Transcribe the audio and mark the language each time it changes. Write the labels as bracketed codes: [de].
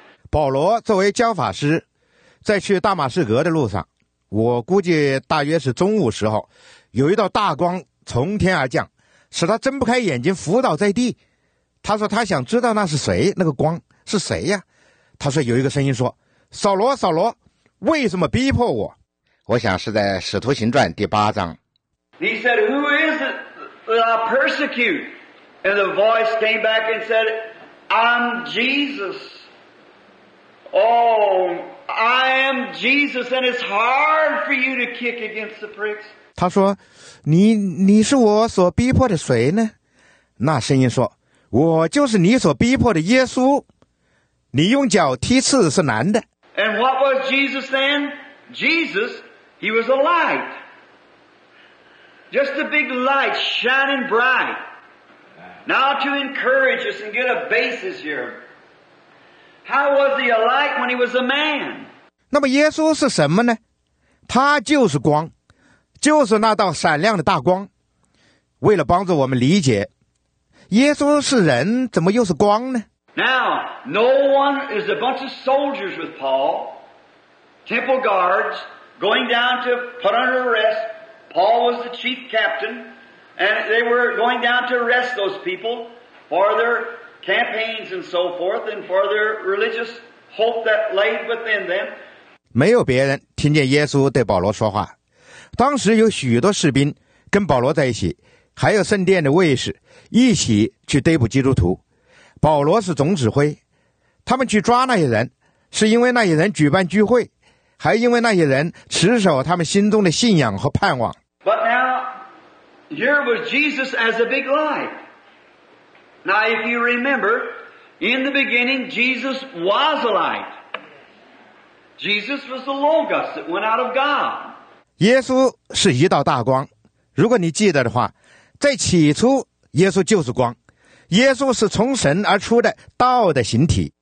[zh] 保罗作为教法师，在去大马士革的路上，我估计大约是中午时候，有一道大光从天而降，使他睁不开眼睛，伏倒在地。他说他想知道那是谁，那个光是谁呀？他说有一个声音说：“扫罗，扫罗，为什么逼迫我？” 我想是在《使徒行传》第八章。 [en] He said, "Who is it that I persecute?" And the voice came back and said, "I'm Jesus." Oh, I am Jesus, and it's hard for you to kick against the pricks. [zh] 他说，你是我所逼迫的谁呢？那声音说，我就是你所逼迫的耶稣。你用脚踢刺是难的。 [en] And what was Jesus then? Jesus, he was a light. Just a big light shining bright. Now to encourage us and get a basis here. How was he a light when he was a man? [zh] 那么耶稣是什么呢？他就是光，就是那道闪亮的大光。为了帮助我们理解，耶稣是人，怎么又是光呢？ [en] Now, no one is a bunch of soldiers with Paul, temple guards, going down to put under arrest. Paul was the chief captain, and they were going down to arrest those people for theircampaigns and so forth, and for their religious hope that lay within them. [zh] 没有别人听见耶稣对保罗说话。当时有许多士兵跟保罗在一起，还有圣殿的卫士一起去逮捕基督徒。保罗是总指挥，他们去抓那些人，是因为那些人举办聚会，还因为那些人持守他们心中的信仰和盼望。 [en] But now, here was Jesus as a big light. Now, if you remember, in the beginning, Jesus was a light. Jesus was the Logos that went out of God. [zh] 耶稣是一道大光。如果你记得的话，在起初，耶稣就是光。耶稣是从神而出的道的形体。